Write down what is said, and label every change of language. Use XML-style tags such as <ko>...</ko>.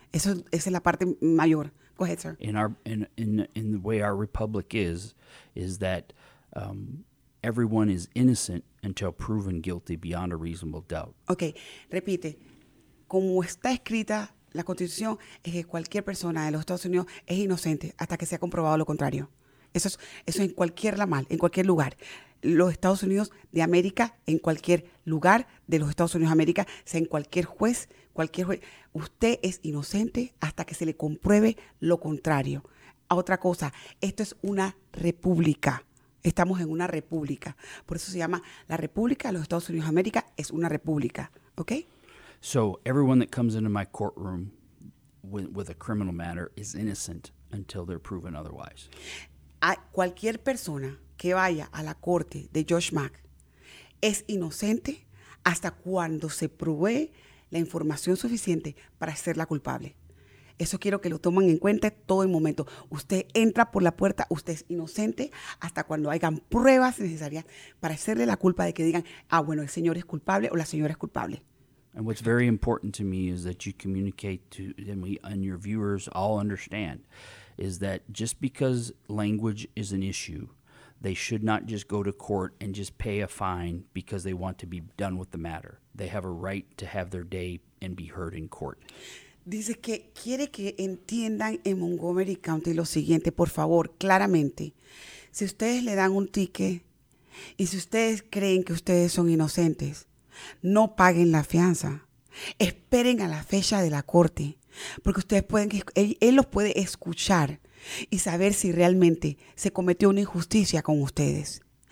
<es>Esa es la parte mayor.</es> <en>Go ahead, sir. In the way our republic is that everyone is innocent until proven guilty beyond a reasonable doubt.</en> <es>Okay, repite. Como está escrita la Constitución, es que cualquier persona de los Estados Unidos es inocente hasta que sea comprobado lo contrario. Eso es en cualquier ramal, en cualquier lugar. Los Estados Unidos de América, en cualquier lugar de los Estados Unidos de América, sea en cualquier juez, usted es inocente hasta que se le compruebe lo contrario. A otra cosa, esto es una república. Estamos en una república. Por eso se llama la República de los Estados Unidos de América, es una república.</es> <en>Okay? So everyone that comes into my courtroom with a criminal matter is innocent until they're proven otherwise.</en> <es>A cualquier persona que vaya a la corte de Josh Mack es inocente hasta cuando se pruebe la información suficiente para hacerla culpable. Eso quiero que lo tomen en cuenta todo el momento. Usted entra por la puerta, usted es inocente hasta cuando hayan pruebas necesarias para hacerle la culpa de que digan, el señor es culpable o la señora es culpable.</es> <en>And what's very important to me is that you communicate to them and your viewers all understand is that just because language is an issue, they should not just go to court and just pay a fine because they want to be done with the matter. They have a right to have their day and be heard in court.</en> <es>Dice que quiere que entiendan en Montgomery County lo siguiente, por favor, claramente. Si ustedes le dan un ticket y si ustedes creen que ustedes son inocentes, no paguen la fianza. Esperen a la fecha de la corte, porque ustedes pueden, él los puede escuchar y saber si realmente se cometió una injusticia con ustedes.</es>